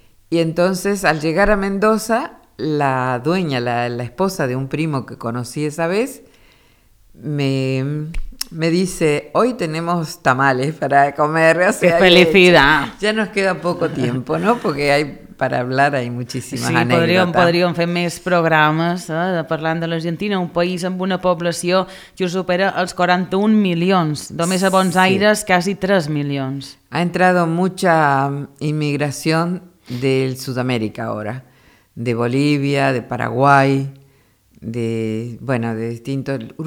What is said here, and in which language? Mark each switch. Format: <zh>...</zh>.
<es>Y entonces, al llegar a Mendoza, la dueña, la esposa de un primo que conocí esa vez, me dice, hoy tenemos tamales para comer. O sea, ¡qué felicidad! Ya nos queda poco tiempo, ¿no? Porque hay para hablar, hay muchísimas anécdotas. Sí,</es> <ca>podríem fer més programes, parlant de l'Argentina, un país amb una població que supera els 41 milions, només a Buenos Aires, quasi 3 milions.</ca> <es>Ha entrado mucha inmigración del Sudamérica ahora, de Bolivia, de Paraguay, de distintos.</es>